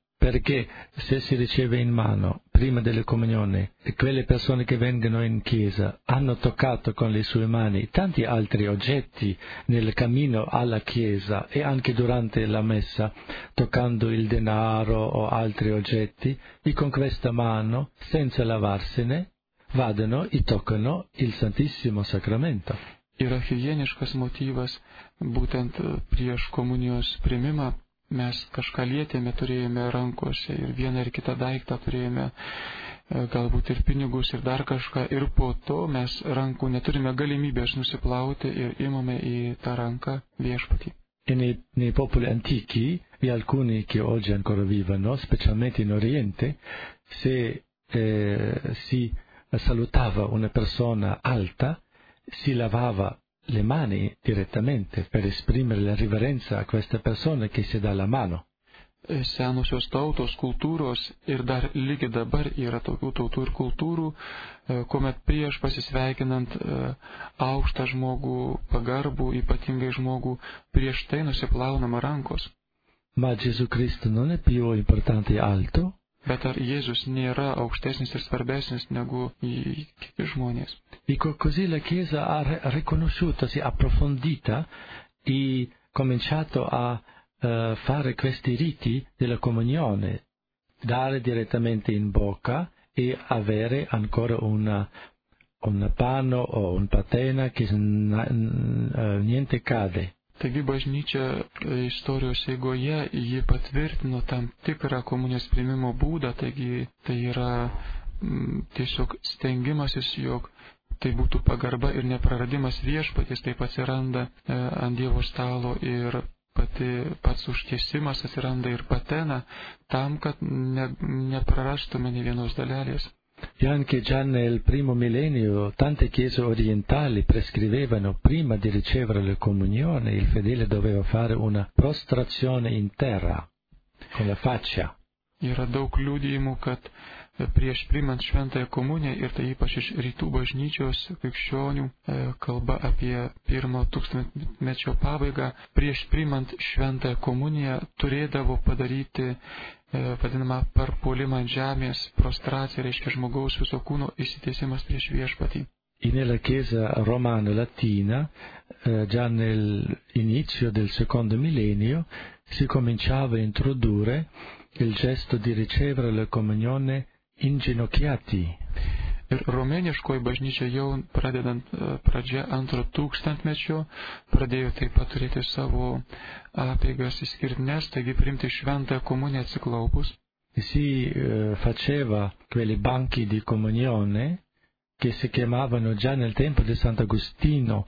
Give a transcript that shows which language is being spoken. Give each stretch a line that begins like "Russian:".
Italian: Perché se si riceve in mano, prima delle comunioni, quelle persone che vengono in chiesa hanno toccato con le sue mani tanti altri oggetti nel cammino alla chiesa e anche durante la messa, toccando il denaro o altri oggetti, e con questa mano, senza lavarsene, vadano e toccano il Santissimo Sacramento.
Lithuanian: Yra higieniškas motyvas, būtent prieš komunijos priėmimą. Mes kažką lietėme, turėjome rankose ir vieną ir kitą daiktą turėjome, galbūt ir pinigus ir dar kažką, ir po to mes rankų neturime galimybės nusiplauti ir imame į tą ranką viešpatį.
Italian: Nei popoli antichi, e alcuni che oggi ancora vivono, specialmente in Oriente, se si salutava una persona alta, si lavava le mani direttamente per esprimere la riverenza a questa persona che si dà la mano.
Lithuanian: Senosios tautos kultūros ir dar lygi dabar yra tokių tautų ir kultūrų, kuomet prieš pasisveikinant aukštą žmogų, pagarbų, ypatingai žmogų, prieš tai nusiplaunama rankos.
Italian: Ma Gesù Cristo non è più importante alto?
Lithuanian: Bet ar Jėzus nėra aukštesnis ir svarbesnis negu kiti žmonės?
Italian: Dico così la Chiesa ha riconosciuto, si è approfondita e cominciato a fare questi riti della comunione, dare direttamente in bocca e avere ancora un panno o un patena che niente cade.
Lithuanian: Taigi bažnyčia istorijos eigoje ji patvirtino tam tikrą komunijos priėmimo būdą, taigi tai yra tiesiog stengimasis, jog tai būtų pagarba ir nepraradimas viešpaties, taip atsiranda ant Dievo stalo ir pats užtiesimas atsiranda ir patena tam, kad neprarastume nei vienos dalelės.
Italian: E anche già nel primo millennio tante chiese orientali prescrivevano prima di ricevere la comunione il fedele doveva fare una prostrazione in terra con la faccia.
Lithuanian: Yra daug liudijimų, kad prieš priimant šventąją komuniją ir tai ypač iš rytų bažnyčios krikščionių kalba apie pirmo tūkstantmečio pabaigą, prieš priimant šventąją komuniją turėdavo padaryti vadinamą parpuolimą ant žemės, prostraciją, reiškia žmogaus viso kūno įsitiesimas prieš viešpatį.
Italian: E nella chiesa romano latina, già nell'inizio del secondo millennio, si cominciava a introdurre il gesto di ricevere la comunione inginocchiati.
Lithuanian: Ir romėniškoji bažnyčia jau pradedant pradžią antro tūkstantmečio pradėjo taip pat turėti savo apeigas įskirtines, taigi priimti šventą komuniją atsiklaupus.
Italian: Si faceva quelli banchi di comunione che si chiamavano già nel tempo di Sant'Agostino.